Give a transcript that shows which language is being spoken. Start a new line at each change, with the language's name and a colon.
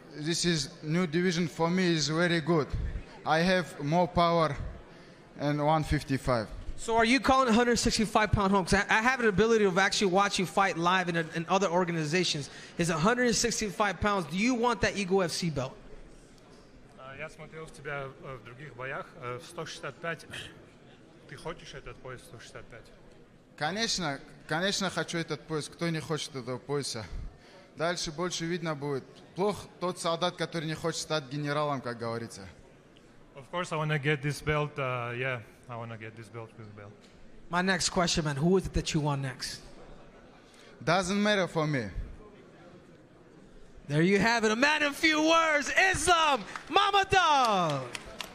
English: This is new division for me is very good. I have more power in 155. So are you calling 165-pound home? Because I have an ability of actually watch you fight live in other organizations. Is 165 pounds, do you want that Eagle FC belt?
Russian: Я смотрел тебя в других боях. В 165 ты хочешь этот пояс 165? Конечно, конечно хочу этот пояс. Кто не хочет этого пояса? Дальше больше видно будет. Плох тот солдат, который не хочет стать генералом, как говорится.
English: Of course, I want to get this belt. Yeah, I want to get this belt with the belt. My next question, man. Who is it that you want next? Doesn't matter for me. There you have it. A man of few words, Islam Mamedov.